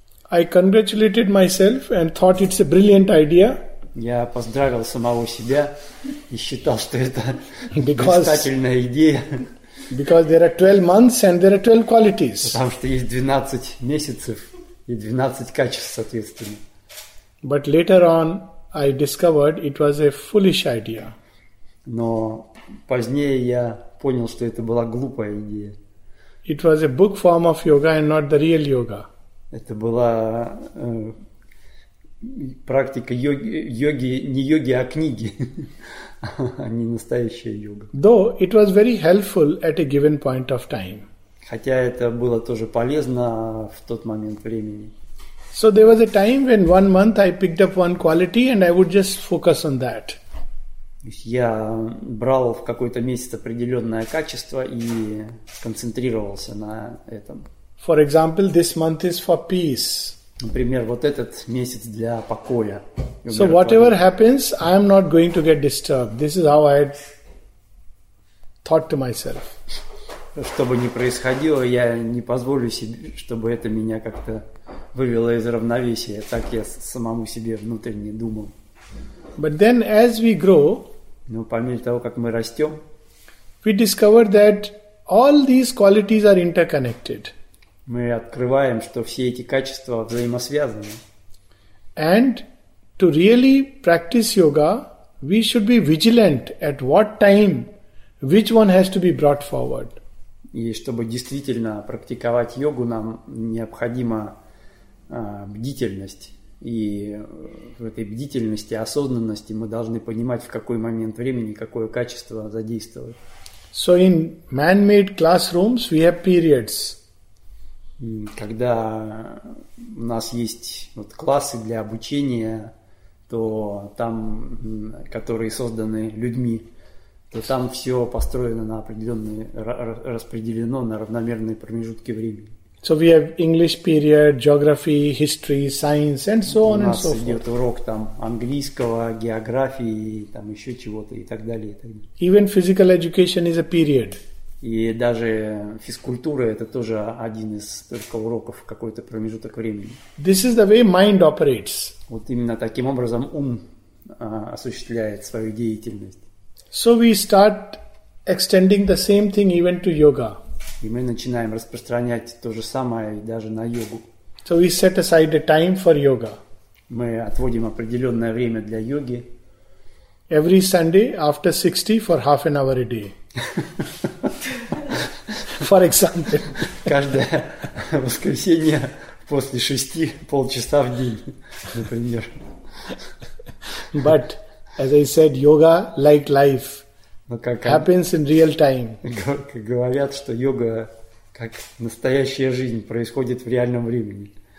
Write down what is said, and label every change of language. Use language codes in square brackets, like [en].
[en] I congratulated myself and thought it's a brilliant idea. [ru] Я поздравил самого себя и считал, что это блистательная идея. [en] Because there are 12 months and there are 12 qualities. [ru] Потому что есть 12 месяцев и 12 качеств, соответственно. [en] But later on I discovered it was a foolish idea. [ru] Но позднее я понял, что это была глупая идея. [en] It was a book form of yoga and not the real yoga. [ru] Это была практика йоги, не йоги, а книги, а не настоящая йога. [en] Though it was very helpful at a given point of time. [ru] Хотя это было тоже полезно в тот момент времени. [en] So there was a time when 1 month I picked up one quality and I would just focus on that. [ru] Я брал в какой-то месяц определенное качество и концентрировался на этом. [en] For example, this month is for peace. [ru] Например, вот этот месяц для покоя. [en] So whatever happens, I am not going to get disturbed. This is how I had thought to myself. [ru] Что бы ни происходило, я не позволю себе, чтобы это меня как-то вывело из равновесия. Так я самому себе внутренне думал. [en] But then as we grow, [ru] ну, по мере того, как мы растем, [en] we discover that all these qualities are interconnected. [ru] Мы открываем, что все эти качества взаимосвязаны. [en] And to really practice yoga, we should be vigilant at what time which one has to be brought forward. [ru] И чтобы действительно практиковать йогу, нам необходима бдительность. И в этой бдительности, осознанности мы должны понимать, в какой момент времени какое качество задействовать. [en] So in man-made classrooms we have periods. [ru] Когда у нас есть вот классы для обучения, то там, которые созданы людьми, то там все построено на определенные, распределено на равномерные промежутки времени. [en] So we have English period, geography, history, science, and so on and so forth. [ru] У нас идет урок там английского, географии, там еще чего-то и так далее, и так далее. [en] Even physical education is a period. [ru] И даже физкультура это тоже один из только уроков какой-то промежуток времени. [en] This is the way mind operates. [ru] Вот именно таким образом ум осуществляет свою деятельность. [en] So we start extending the same thing even to yoga. [ru] И мы начинаем распространять то же самое даже на йогу. [en] So we set aside a time for yoga. [ru] Мы отводим определенное время для йоги. [en] Every Sunday after 60 for half an hour a day. For example. [ru] Каждое воскресенье после 6 полчаса в день, например. [en] But, as I said, yoga like life. Happens in real time. [ru] Говорят, что йога как настоящая жизнь происходит в реальном времени.